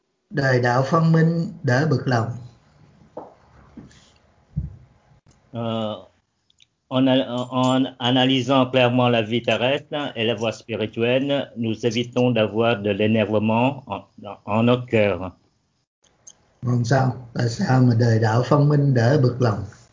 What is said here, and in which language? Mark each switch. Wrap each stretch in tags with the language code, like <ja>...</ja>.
<vi>Đời đạo phân minh đỡ bực lòng.</vi> <fr>En analysant clairement la vie terrestre et la voie spirituelle, nous évitons d'avoir de l'énervement en nos cœurs.</fr> <vi>Vâng, sao? Tại sao mà đời đạo phân minh đỡ bực lòng?</vi>